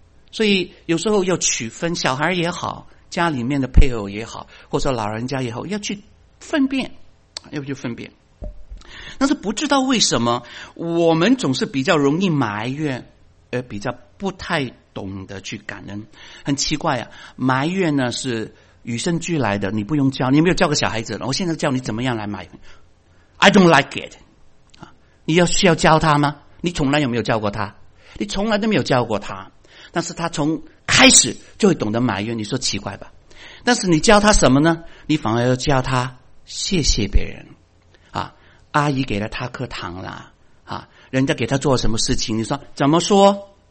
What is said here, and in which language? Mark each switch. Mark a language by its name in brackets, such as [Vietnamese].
[Chinese] 所以有时候要区分，小孩也好，家里面的配偶也好，或者老人家也好，要去分辨，要去分辨。但是不知道为什么我们总是比较容易埋怨，而比较不太懂得去感恩。很奇怪啊，埋怨呢是与生俱来的，你不用教，你没有教个小孩子，我现在教你怎么样来埋怨。 [English] I don't like it， [Chinese] 你要需要教他吗？你从来有没有教过他？你从来都没有教过他，但是他从开始就会懂得埋怨，你说奇怪吧？但是你教他什么呢？你反而要教他谢谢别人啊，阿姨给了他颗糖啦啊，人家给他做什么事情，你说怎么说？